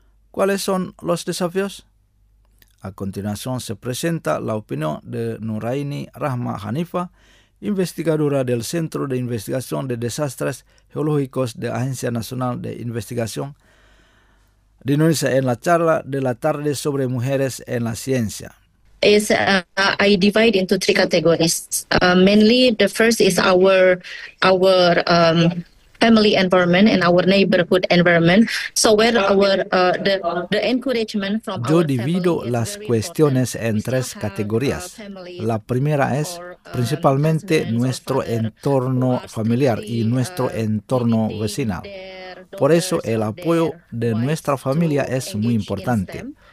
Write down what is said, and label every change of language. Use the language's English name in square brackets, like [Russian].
[Spanish] ¿Cuáles son los desafíos? A continuación se presenta la opinión de Nuraini Rahma Hanifa, investigadora del Centro de Investigación de Desastres Geológicos de Agencia Nacional de Investigación, de Indonesia en la charla de la tarde sobre mujeres en la ciencia. [English] Is I divide into three categories. Mainly, the first is our family environment and our neighborhood environment. So where our the encouragement from. [Spanish] Yo divido las cuestiones en tres categorías. La primera es principalmente nuestro entorno familiar y nuestro entorno vecinal. Por eso el apoyo de nuestra familia es muy importante.